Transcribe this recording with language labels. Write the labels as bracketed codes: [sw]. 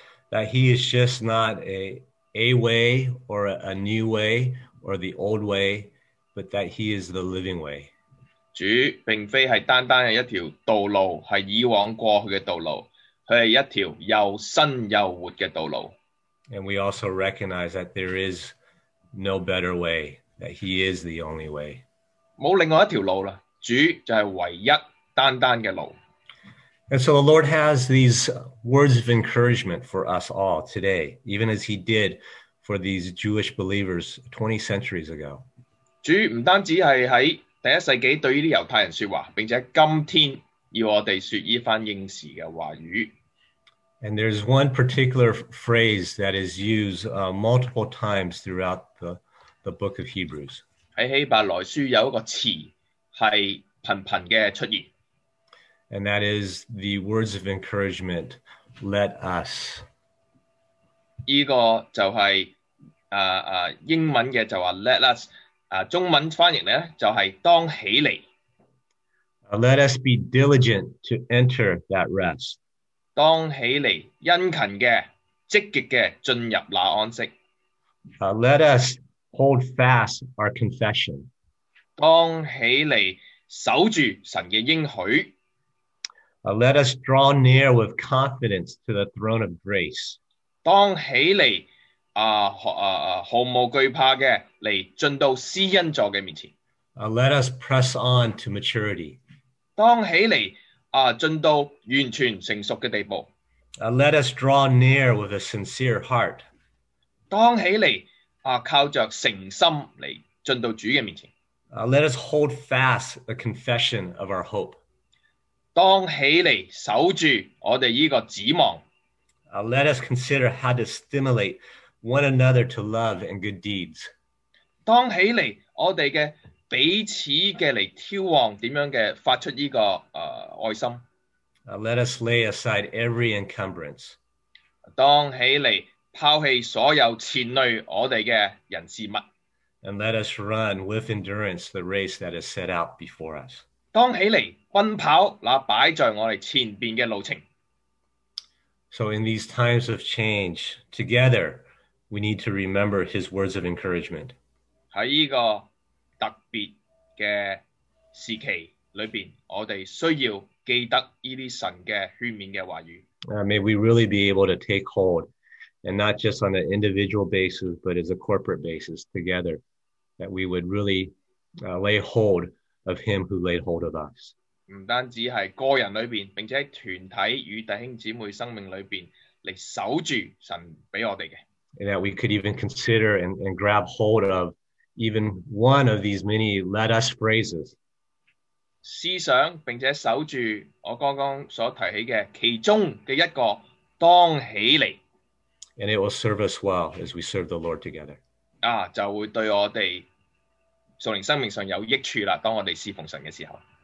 [en] that he is just not a way or a new way or the old way, but that he is the living way. [zh] 主并非是单单一条道路，是以往过去的道路，它是一条又新又活的道路。 [en] And we also recognize that there is no better way, that he is the only way. [zh] 没有另外一条路了，主就是唯一单单的路。 [en] And so the Lord has these words of encouragement for us all today, even as he did for these Jewish believers 20 centuries ago. [zh] 主不单只是在第一世纪对于犹太人说话，并且今天要我们说这番应时的话语。 [en] And there's one particular phrase that is used multiple times throughout the book of Hebrews. [zh] 在希伯来书有一个词是频频的出现。 [en] And that is the words of encouragement, let us. [zh] 这个就是英文的就说 [en] let us。 [zh] 中文翻译呢就是当起来。 [en] Let us be diligent to enter that rest. [zh] 当起来殷勤的积极的进入那安息。 [en] Let us hold fast our confession. [zh] 当起来守住神的应许。 [en] Let us draw near with confidence to the throne of grace. [zh] 当起来毫无惧怕的来进到施恩座的面前。 [en] Let us press on to maturity. [zh] 当起来进到完全成熟的地步。 [en] Let us draw near with a sincere heart. [zh] 当起来靠着诚心来进到主的面前。 [en] Let us hold fast the confession of our hope. [zh] 当起来守住我们这个指望。 [en] Let us consider how to stimulate one another to love and good deeds. [zh] 当起来我们的彼此的来眺望怎样的发出这个爱心。 [en] Let us lay aside every encumbrance. [zh] 当起来抛弃所有前累我们的人事物。 [en] And let us run with endurance the race that is set out before us. [zh] 当起来奔跑那摆在我们前面的路程。 [en] So in these times of change, together, we need to remember his words of encouragement. [zh] 在这个特别的时期里面，我们需要记得这些神的劝勉的话语。 [en] May we really be able to take hold, and not just on an individual basis, but as a corporate basis together, that we would really lay hold of him who laid hold of us. [zh] 不单只是个人里面，并且在团体与弟兄姊妹生命里面来守住神给我们的。 [en] And that we could even consider and grab hold of even one of these many let us phrases. [zh] 思想并且守住我刚刚所提起的其中的一个当起来。 [en] And it will serve us well as we serve the Lord together. [zh] 就会对我们属灵生命上有益处了，当我们侍奉神的时候。